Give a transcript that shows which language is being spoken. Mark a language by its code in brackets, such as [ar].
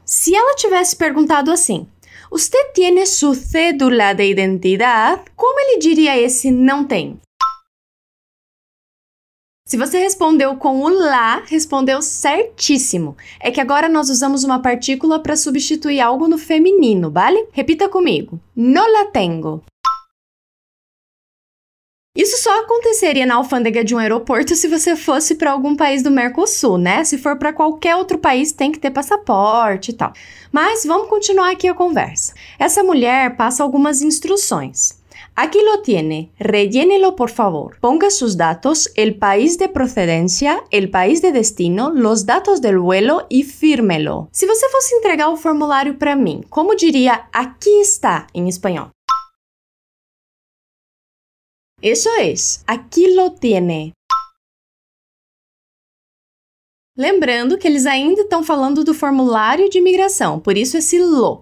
[pt] Se ela tivesse perguntado assim, [es] ¿Usted tiene su cédula de identidad? [pt] Como ele diria esse não tem? Se você respondeu com o lá, respondeu certíssimo. É que agora nós usamos uma partícula para substituir algo no feminino, vale? Repita comigo. [es] No la tengo. [pt] Isso só aconteceria na alfândega de um aeroporto se você fosse para algum país do Mercosul, né? Se for para qualquer outro país, tem que ter passaporte e tal. Mas vamos continuar aqui a conversa. Essa mulher passa algumas instruções. [es] Aqui lo tiene. Rellénelo, por favor. Ponga sus datos, el país de procedencia, el país de destino, los datos del vuelo y fírmelo. [pt] Se você fosse entregar o formulário para mim, como diria aqui está em espanhol? Isso é. [es] Aqui lo tiene. [pt] Lembrando que eles ainda estão falando do formulário de imigração, por isso esse lo.